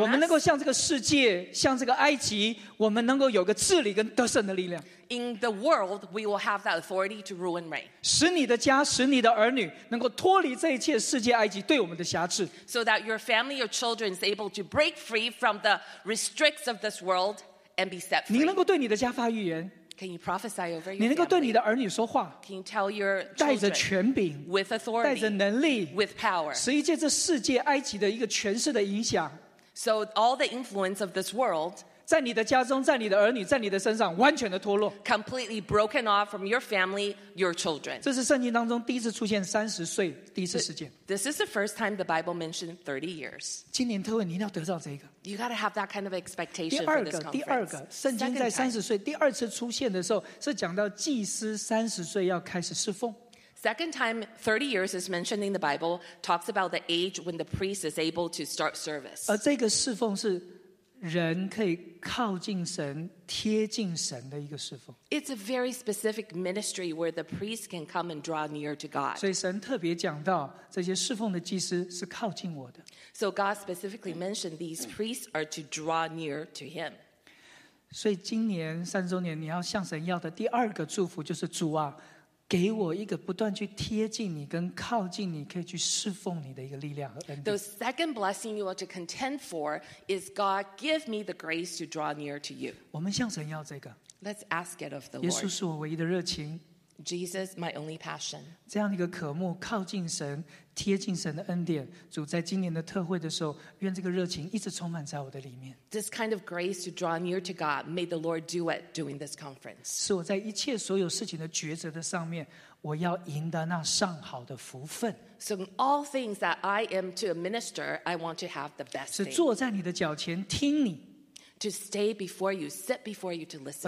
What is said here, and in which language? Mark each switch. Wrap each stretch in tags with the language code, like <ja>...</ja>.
<zh>我们能够向这个世界，向这个埃及，我们能够有个治理跟得胜的力量。</zh> <en>In the world, we will have that authority to rule and reign.</en> <zh>使你的家，使你的儿女能够脱离这一切世界埃及对我们的辖制。</zh> <en>So that your family, your children is able to break free from the restricts of this world and be set free.</en> <zh>你能够对你的家发预言。</zh> <en>Can you prophesy over your</en> <zh>你能够对你的儿女说话</zh> <en>Can you tell your children</en> <zh>带着权柄</zh> <en>with authority</en> <zh>带着能力</zh> <en>with power</en> <zh>使一切这世界埃及的一个权势的影响</zh> <en>So all the influence of this world</en> <zh>在你的家中在你的儿女在你的身上完全的脱落</zh> <en>Completely broken off from your family, your children</en> <zh>这是圣经当中第一次出现30岁第一次事件</zh> <en>This is the first time the Bible mentioned 30 years</en> <zh>今年特会你一定要得到这个</zh> <en>You got to have that kind of expectation for this conference.</en> <zh>第二个，圣经在三十岁第二次出现的时候，是讲到祭司三十岁要开始侍奉。</zh> <en>Second time, 30 years is mentioned in the Bible, talks about the age when the priest is able to start service.</en> <zh>而这个侍奉是人可以靠近神、贴近神的一个侍奉。</zh> <en>It's a very specific ministry where the priest can come and draw near to God.</en> <zh>所以神特别讲到这些侍奉的祭司是靠近我的。</zh> <en>So God specifically mentioned these priests are to draw near to Him.</en> <zh>所以今年三周年，你要向神要的第二个祝福就是主啊，给我一个不断去贴近你跟靠近你，可以去侍奉你的一个力量和恩典。</zh> <en>The second blessing you are to contend for is God, give me the grace to draw near to you.</en> <zh>我们向神要这个。</zh> <en>Let's ask it of the Lord.</en> <zh>耶稣是我唯一的热情。</zh> <en>Jesus, my only passion.</en> <zh>这样一个渴慕，靠近神，贴近神的恩典，主在今年的特会的时候，愿这个热情一直充满在我的里面。</zh> <en>This kind of grace to draw near to God, may the Lord do it during this conference.</en> <zh>是我在一切所有事情的抉择的上面，我要赢得那上好的福分。</zh> <en>So in all things that I am to administer, I want to have the best thing.</en> <zh>是坐在你的脚前听你。</zh> <en>To stay before you, sit before you to listen.</en>